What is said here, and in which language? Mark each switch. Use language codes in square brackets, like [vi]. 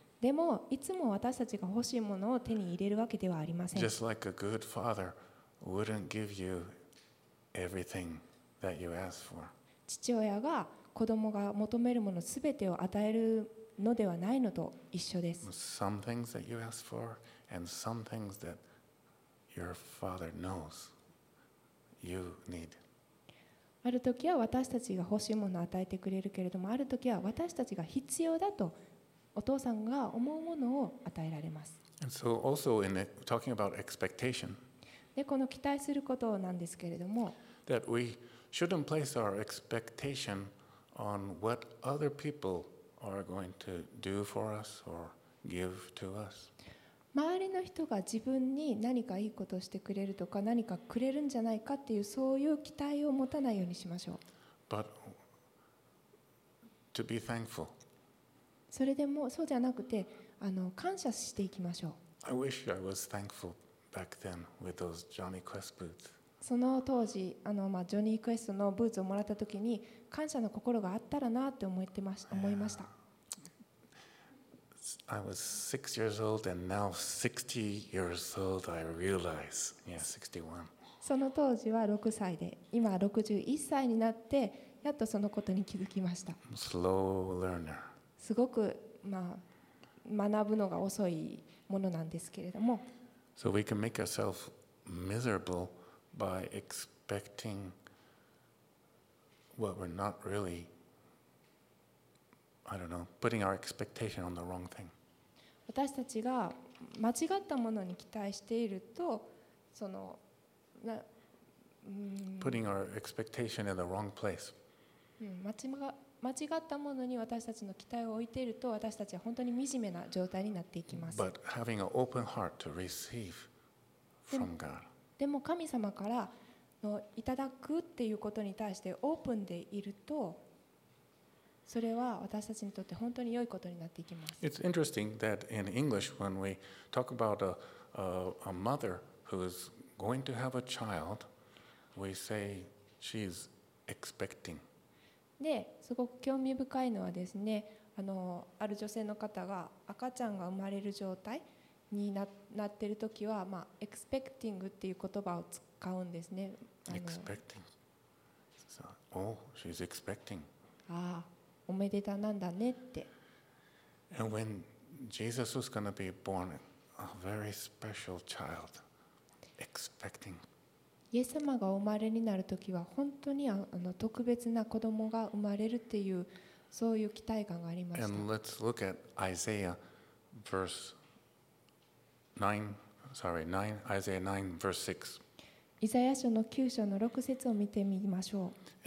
[ja] でもいつも私たちが欲しいものを手に入れるわけではありません。 [en] Just like a good father wouldn't give you everything that you ask for. [ja] 父親が子供が求めるものすべてを与えるのではないのと一緒です。 [en] Some things that you ask for and some things that your father knows you need. [ja] ある時は私たちが欲しいものを与えてくれるけれども、ある時は私たちが必要だとお父さんが思うものを与えられます。 [en] And so also in talking about expectation. [ja] で、この期待することなんですけれども。 [en] That weShouldn't place our expectation on what other people are going to do for us or give to us. [ja] 周りの人が自分に何かいいことをしてくれるとか何かくれるんじゃないかっていうそういう期待を持たないようにしましょう。 [en] But to be thankful. [ja] それでもそうじゃなくて感謝していきましょう。 [en] I wish I was thankful back then with those Johnny Quest boots. [ja] その当時ジョニー・クエストのブーツをもらったときに感謝の心があったらなって思ってました。 [en] Yeah. [ja] 思いました。 [en] I was 6 years old and now 60 years old I realize. Yeah, 61. [ja] その当時は6歳で、今61歳になってやっとそのことに気づきました。 [en] Slow learner. [ja] すごく、まあ、学ぶのが遅いものなんですけれども。 [en] So we can make ourselves miserable by expecting what we're not really, I don't know, putting our expectation on the wrong thing. [ja] 私たちが間違ったものに期待していると、そのな、 [en] putting our expectation in the wrong place. [ja] 間違ったものに私たちの期待を置いていると、私たちは本当に惨めな状態になっていきます。 [en] But having an open heart to receive from God. [ja] でも神様からのいただくっていうことに対してオープンでいると、それは私たちにとって本当に良いことになっていきます。 [en] It's interesting that in English, when we talk about a mother who is going to have a child, we say she's expecting. [ja] で、すごく興味深いのはですね、ある女性の方が赤ちゃんが生まれる状態に なっているときは、まあ、expecting っていう言葉を使うんですね。 [en] expecting. So, oh, she's expecting. [ja] ああ、おめでたなんだねって。 [en] And when Jesus was going to be born, a very special child, expecting. [ja] イエス様がお生まれになるときは本当に特別な子供が生まれるっていうそういう期待感がありました。 [en] And let's look at Isaiah verse 9, Isaiah 9 verse 6. [ja] イザヤ書の9章の6節を見てみましょう。